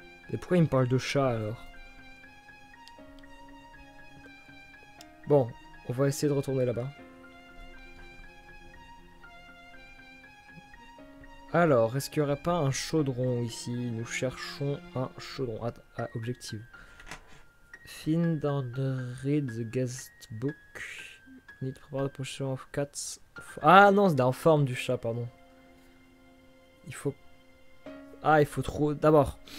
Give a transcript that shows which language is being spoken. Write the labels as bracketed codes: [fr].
[fr] Et pourquoi il me parle de chat alors? Bon, on va essayer de retourner là-bas. Alors, est-ce qu'il n'y aurait pas un chaudron ici? Nous cherchons un chaudron. Ah, objectif. [en] Find and read the guest book. Need to prepare the potion of cats. [fr] Ah non, c'est en forme du chat, pardon. Il faut. Ah, il faut trouver. D'abord.